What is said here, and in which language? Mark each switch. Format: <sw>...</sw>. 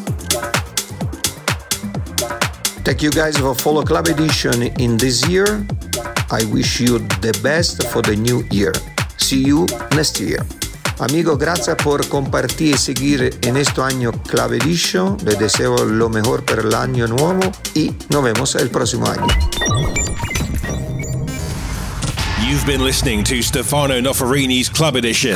<en>Thank you guys for Follow Club Edition in this year. I wish you the best for the new year. See you next year.</en> <es>Amigo, grazie por compartir e seguir en este año Club Edition. Le deseo lo mejor</es> <it>per l'anno nuovo</it> <es>y nos vemos el prossimo año.</es> <en>You've been listening to Stefano Noferini's Club Edition.</en>